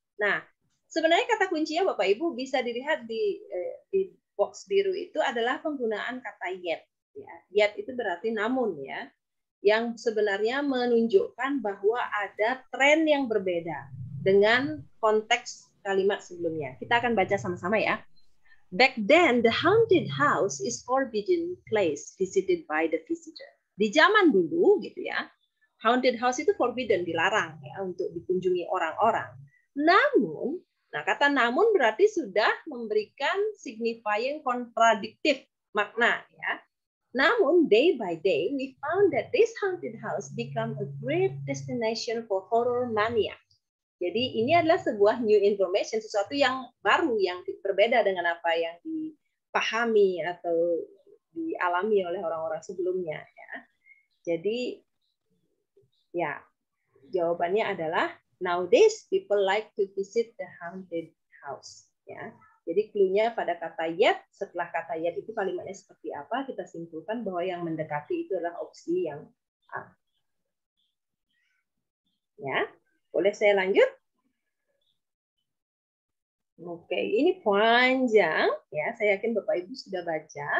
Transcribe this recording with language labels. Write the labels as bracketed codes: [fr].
[id] Nah, sebenarnya kata kuncinya Bapak Ibu bisa dilihat di box biru itu adalah penggunaan kata yet ya. Yet itu berarti namun ya. Yang sebenarnya menunjukkan bahwa ada tren yang berbeda dengan konteks kalimat sebelumnya. Kita akan baca sama-sama ya. [en] Back then, the haunted house is forbidden place visited by the visitor. [id] Di zaman dulu, gitu ya, [en] haunted house [id] itu [en] forbidden, [id] dilarang ya, untuk dikunjungi orang-orang. Namun, nah kata namun berarti sudah memberikan [en] signifying [id] kontradiktif makna ya. Namun, [en] day by day, we found that this haunted house become a great destination for horror mania. [id] Jadi, ini adalah sebuah [en] new information, [id] sesuatu yang baru, yang berbeda dengan apa yang dipahami atau dialami oleh orang-orang sebelumnya. Ya. Jadi, ya, jawabannya adalah, [en] nowadays, people like to visit the haunted house. [id] Ya. Jadi clue-nya pada kata yet, setelah kata yet itu kalimatnya seperti apa, kita simpulkan bahwa yang mendekati itu adalah opsi yang A. Ya. Boleh saya lanjut? Oke, ini panjang ya. Saya yakin Bapak Ibu sudah baca.